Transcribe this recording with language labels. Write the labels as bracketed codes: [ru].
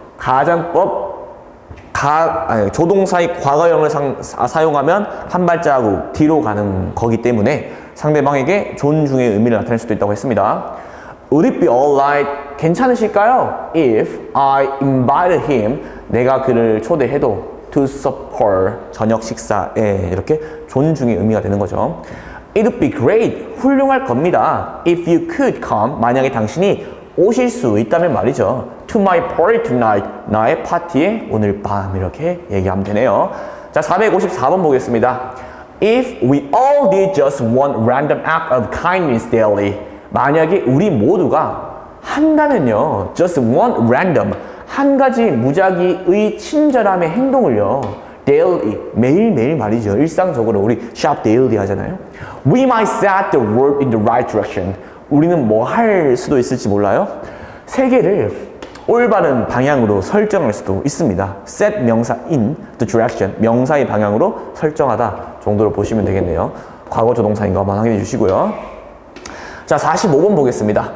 [ko] 가정법 조동사의 과거형을 사용하면 한 발자국 뒤로 가는 거기 때문에 상대방에게 존중의 의미를 나타낼 수도 있다고 했습니다. [en] Would it be alright? [ko] 괜찮으실까요? [en] If I invited him, [ko] 내가 그를 초대해도 [en] to supper, [ko] 저녁 식사에 이렇게 존중의 의미가 되는 거죠. [en] It would be great, [ko] 훌륭할 겁니다. [en] If you could come, [ko] 만약에 당신이 오실 수 있다면 말이죠. [en] To my party tonight, [ko] 나의 파티에 오늘 밤 이렇게 얘기하면 되네요. 자, 454번 보겠습니다. [en] If we all did just one random act of kindness daily, [ko] 만약에 우리 모두가 한다면요. [en] Just one random, [ko] 한 가지 무작위의 친절함의 행동을요. Daily, 매일매일 말이죠. 일상적으로 우리 shop daily 하잖아요. [en] We might set the world in the right direction. [ko] 우리는 뭐 할 수도 있을지 몰라요. 세계를 올바른 방향으로 설정할 수도 있습니다. Set 명사 in the direction, 명사의 방향으로 설정하다 정도로 보시면 되겠네요. 과거 조동사인 것만 확인해 주시고요. 자, 45번 보겠습니다.